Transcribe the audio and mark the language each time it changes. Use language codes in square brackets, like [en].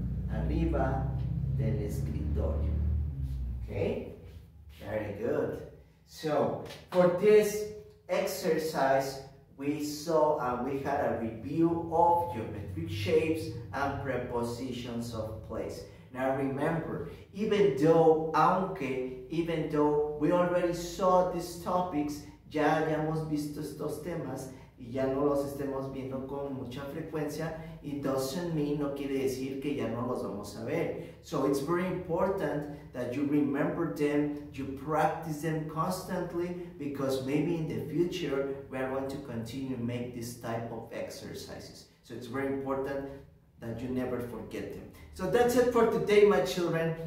[es] Arriba del escritorio. Okay, [en] very good. So for this exercise, we saw and we had a review of geometric shapes and prepositions of place. Now remember, even though we already saw these topics, [es] ya habíamos visto estos temas y ya no los estemos viendo con mucha frecuencia, [en] it doesn't mean, [es] no quiere decir que ya no los vamos a ver. [en] So it's very important that you remember them, you practice them constantly, because maybe in the future we are going to continue to make this type of exercises. So it's very important that you never forget them. So that's it for today, my children.